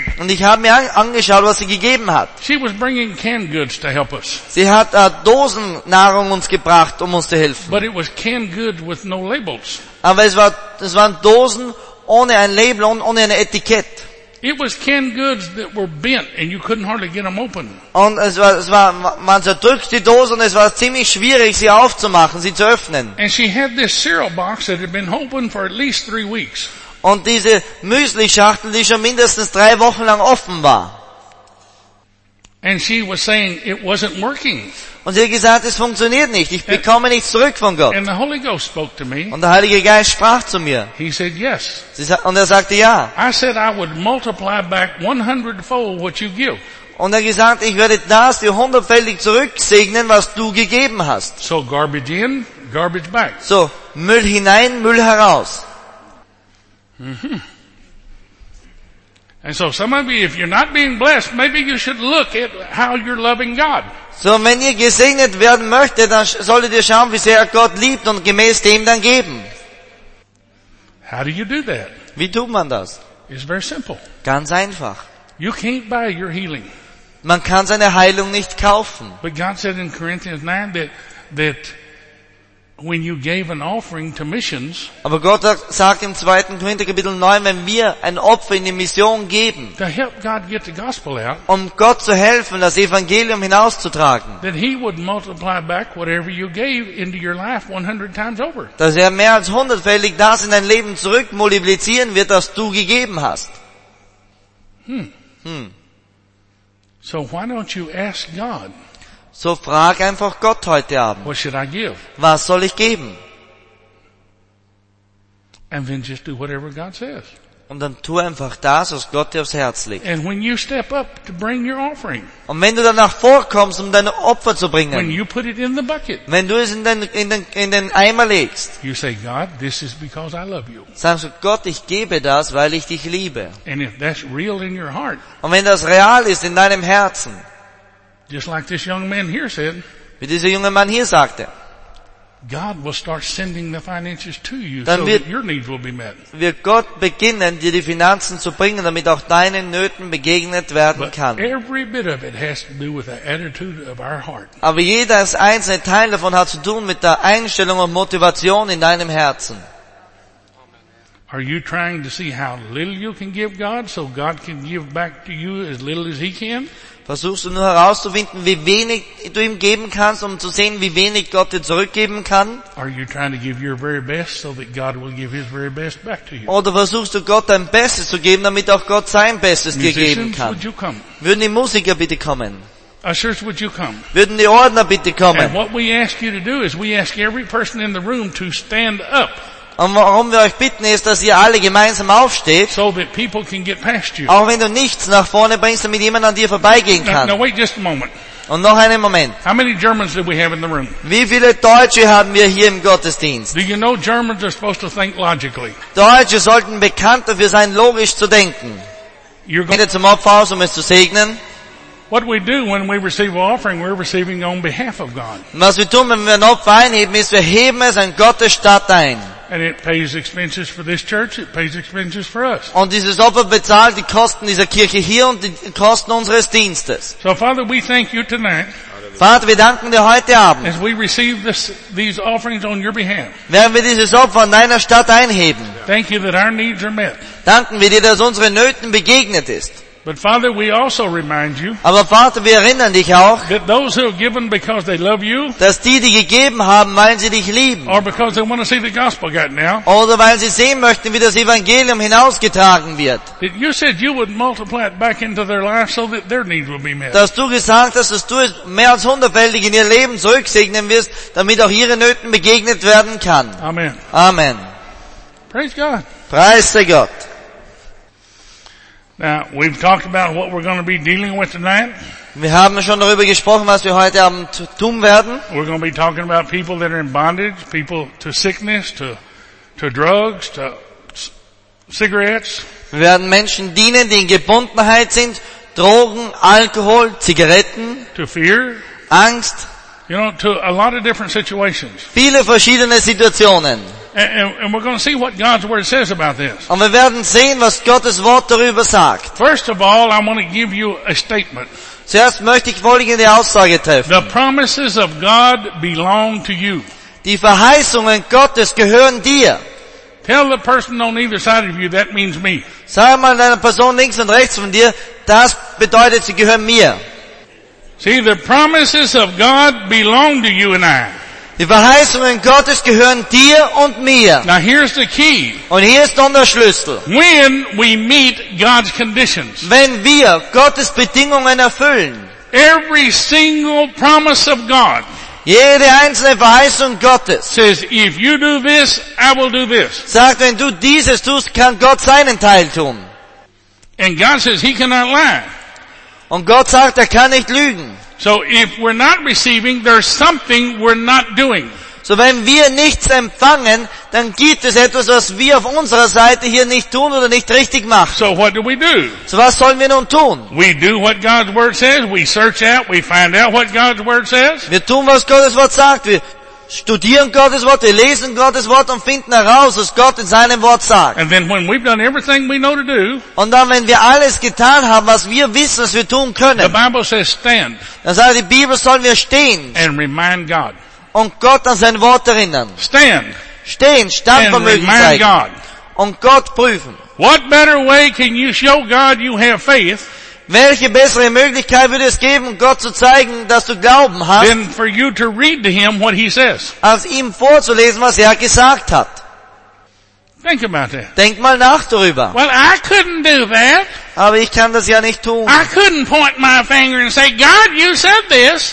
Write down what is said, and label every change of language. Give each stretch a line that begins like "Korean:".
German: Und ich habe mir angeschaut, was sie gegeben hat.
English: She was bringing canned goods to help us.
German: Sie hat Dosennahrung uns gebracht, um uns zu helfen.
English: But it was canned goods with no labels.
German: Aber es waren Dosen ohne ein Label und ohne ein Etikett.
English: It was canned goods that were bent and you couldn't hardly get them open.
German: Und es war man zerdrückt die Dose und es war ziemlich schwierig sie aufzumachen, sie zu öffnen.
English: And she had this cereal box that had been open for at least 3 weeks.
German: Und diese Müsli-Schachtel, die schon mindestens 3 Wochen lang offen war.
English: And she was saying it wasn't working.
German: Und sie hat gesagt, es funktioniert nicht. Ich bekomme nichts zurück von Gott.
English: And the Holy Ghost spoke to me.
German: Und der Heilige Geist sprach zu mir.
English: He said yes.
German: Und er sagte ja.
English: I said I would multiply back 100-fold what you give.
German: Und er gesagt, ich werde das dir 100-fältig zurücksegnen, was du gegeben hast.
English: So garbage in, garbage back.
German: So Müll hinein, Müll heraus. Mm-hmm.
English: And so some of you, if you're not being blessed, maybe you should look at how you're loving God.
German: So wenn ihr gesegnet werden möchtet, dann solltet ihr schauen, wie sehr Gott liebt und gemäß dem dann geben.
English: How do you do that?
German: Wie tut man das?
English: It's very simple.
German: Ganz einfach.
English: You can't buy your healing.
German: Man kann seine Heilung nicht kaufen.
English: But God said in Corinthians 9 that when you gave an offering to missions,
German: aber Gott sagt im 2. Korinther Kapitel 9, wenn wir ein Opfer in die Mission geben,
English: to help God get the gospel out,
German: um Gott zu helfen, das Evangelium hinauszutragen,
English: then he would multiply back whatever you gave into your life 100 times over.
German: Dass er mehr als 100-fältig das in dein Leben zurückmultiplizieren wird, das du gegeben hast.
English: So why don't you ask God?
German: So frag einfach Gott heute Abend.
English: What should I give?
German: Was soll ich geben?
English: And then just do whatever God says.
German: Und dann tu einfach das, was Gott dir aufs Herz legt.
English: And when you step up to bring your offering.
German: Und wenn du danach vorkommst, um deine Opfer zu bringen.
English: When you put it in the bucket.
German: Wenn du es in den Eimer legst.
English: You say, God, this is because I love you.
German: Sagst du, Gott, ich gebe das, weil ich dich liebe.
English: And if that's real in your heart.
German: Und wenn das real ist in deinem Herzen.
English: Just like this young man here said.
German: Wie dieser junge Mann hier sagte.
English: God will start sending the finances to you so that your needs will be met.
German: Wird Gott beginnen, dir die Finanzen zu bringen, damit auch deinen Nöten begegnet werden kann.
English: But every bit of it has to do with the attitude of our heart.
German: Aber jeder einzelne Teil davon hat zu tun mit der Einstellung und Motivation in deinem Herzen.
English: Are you trying to see how little you can give God so God can give back to you as little as he can?
German: versuchst du nur herauszufinden, wie wenig du ihm geben kannst, um zu sehen, wie wenig Gott dir zurückgeben kann? Oder versuchst du Gott dein Bestes zu geben, damit auch Gott sein Bestes dir geben kann?
English: Would you come?
German: Würden die Musiker bitte kommen?
English: Ushers, would you come?
German: Würden die Ordner bitte kommen?
English: And what we ask you to do is we ask every person in the room to stand up.
German: Und warum wir euch bitten ist, dass ihr alle gemeinsam aufsteht.
English: So that people can get past you.
German: Auch wenn du nichts nach vorne bringst, damit jemand an dir vorbeigehen kann.
English: Now wait just a moment.
German: Und noch einen Moment.
English: How many Germans did we have in the room?
German: Wie viele Deutsche haben wir hier im Gottesdienst?
English: Do you know Germans are supposed to think logically?
German: Deutsche sollten bekannt dafür sein, logisch zu denken. Geht ihr zum Opferhaus, um es zu segnen?
English: What we do when we receive an offering, we're receiving on behalf of God.
German: Was wir tun, wenn wir ein Opfer einheben, ist, wir heben es an Gottes Statt ein.
English: And it pays expenses for this church, it pays expenses for us.
German: Und dieses Opfer bezahlt die Kosten dieser Kirche hier und die Kosten unseres Dienstes.
English: So Father, we thank you tonight.
German: Vater, wir danken dir heute Abend.
English: As we receive these offerings on your behalf.
German: Werden wir dieses Opfer an deiner Statt einheben.
English: Thank you that our needs are met.
German: Danken wir dir, dass unsere Nöten begegnet ist.
English: But Father, we also remind you.
German: Aber Vater, wir erinnern dich auch.
English: That those who have given because they love you.
German: Dass die gegeben haben, weil sie dich lieben.
English: Or because they want to see the gospel gotten out.
German: Oder weil sie sehen möchten, wie das Evangelium hinausgetragen wird.
English: That you said you would multiply it back into their life so that their needs would be met.
German: Dass du gesagt hast, dass du es mehr als hundertfältig in ihr Leben zurücksegnen wirst, damit auch ihre Nöten begegnet werden kann.
English: Amen.
German: Amen.
English: Praise God.
German: Preise Gott.
English: Now we've talked about what we're going to be dealing with tonight.
German: Wir haben schon darüber gesprochen, was wir heute Abend tun werden.
English: We're going to be talking about people that are in bondage, people to sickness, to drugs, to cigarettes.
German: Wir werden Menschen dienen, die in Gebundenheit sind, Drogen, Alkohol, Zigaretten.
English: To fear.
German: Angst.
English: You know, to a lot of different situations.
German: Viele verschiedene Situationen.
English: And we're going to see what God's word says about this.
German: Und wir werden sehen, was Gottes Wort darüber sagt.
English: First of all, I want to give you a statement.
German: Zuerst möchte ich folgende Aussage treffen.
English: The promises of God belong to you.
German: Die Verheißungen Gottes gehören dir.
English: Tell the person on either side of you that means me.
German: Sag mal deiner Person links und rechts von dir, das bedeutet, sie gehören mir.
English: See, the promises of God belong to you and I.
German: Die Verheißungen Gottes gehören dir und mir.
English: Now here's the key.
German: Und hier ist dann der Schlüssel.
English: When we meet God's conditions.
German: Wenn wir Gottes Bedingungen erfüllen.
English: Every single promise of God.
German: Jede einzelne Verheißung Gottes.
English: Says, if you do this, I will do this.
German: Sagt, wenn du dieses tust, kann Gott seinen Teil tun.
English: And God says he cannot lie.
German: Und Gott sagt, er kann nicht lügen.
English: So if we're not receiving, there's something we're not doing.
German: So wenn wir nichts empfangen, dann gibt es etwas, was wir auf unserer Seite hier nicht tun oder nicht richtig machen.
English: So what do we do?
German: So was sollen wir nun tun?
English: We do what God's word says. We search out. We find out what God's word says.
German: Wir tun, was Gottes Wort sagt. Wir studieren Gottes Wort. Wir lesen Gottes Wort und finden heraus, was Gott in seinem Wort sagt.
English: And then when we've done everything we know to do.
German: Und dann, wenn wir alles getan haben, was wir wissen, was wir tun können.
English: The Bible says stand.
German: Dann sagt die Bibel, sollen wir stehen.
English: And remind God.
German: Und Gott an sein Wort erinnern.
English: Stand.
German: Stehen, Standvermögen zeigen.
English: And remind God.
German: Und Gott prüfen.
English: What better way can you show God you have faith?
German: Welche bessere Möglichkeit würde es geben, Gott zu zeigen, dass du Glauben hast,
English: than for you to read to him what he says.
German: Als ihm vorzulesen, was er gesagt hat.
English: Think about that.
German: Denk mal nach darüber.
English: Well, I couldn't do that.
German: Aber ich kann das ja nicht tun.
English: I couldn't point my finger and say, God, you said this.